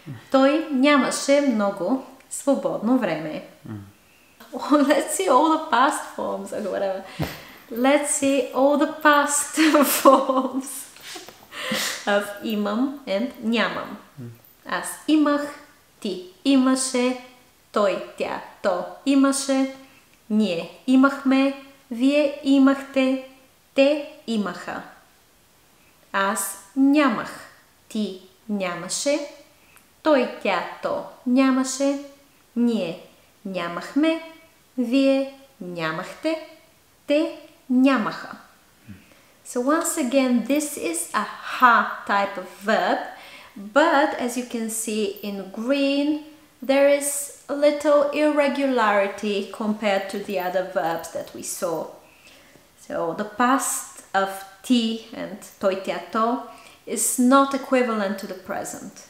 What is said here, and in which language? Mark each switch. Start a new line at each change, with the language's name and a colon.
Bulgarian: Той нямаше много свободно време.
English: Let's see all the past forms or whatever. Let's see all the past forms of имам and нямам.
Bulgarian: Аз имах, ти имаше, той, тя, то имаше, ние имахме, вие имахте, те имаха. Аз нямах, ти нямаше, той, тя, то нямаше, ние нямахме, вие нямахте, те нямаха.
English: So once again, this is a ha type of verb, but as you can see in green, there is a little irregularity compared to the other verbs that we saw. So the past of ti and toi tia to is not equivalent to the present.